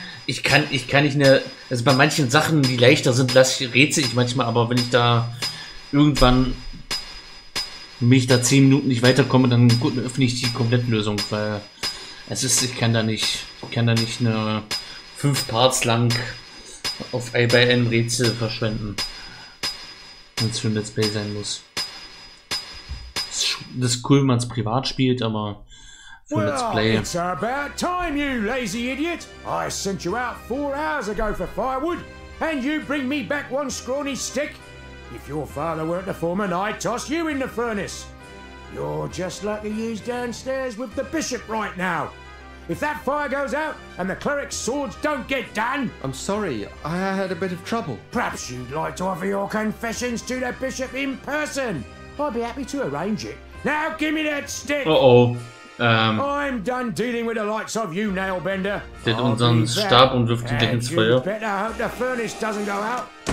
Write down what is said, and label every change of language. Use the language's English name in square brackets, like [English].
[German] Ich kann nicht mehr. Also bei manchen Sachen, die leichter sind, rätsel ich manchmal, aber wenn ich da irgendwann mich da 10 Minuten nicht weiterkomme, dann gut, öffne ich die Komplettlösung, weil es ist, ich kann da nicht eine 5 Parts lang auf IBN Rätsel verschwenden, wenn es für ein Let's Play sein muss. Das ist cool, wenn man es privat spielt, aber für ein Let's Play. [English] It's about time, you lazy idiot! I sent you out 4 hours ago for firewood and you bring me back one scrawny stick! If your father weren't a foreman, I'd toss you in the furnace. You're just like the youths downstairs with the bishop right now. If that fire goes out and the cleric's swords don't get done... I'm sorry, I had a bit of trouble. Perhaps you'd like to offer your confessions to the bishop in person. I'd be happy to arrange it. Now give me that stick! Uh-oh. I'm done dealing with the likes of you, Nailbender. [German] Did unseren Stab und wirft ihn gleich ins Feuer. [English] You better hope the furnace doesn't go out.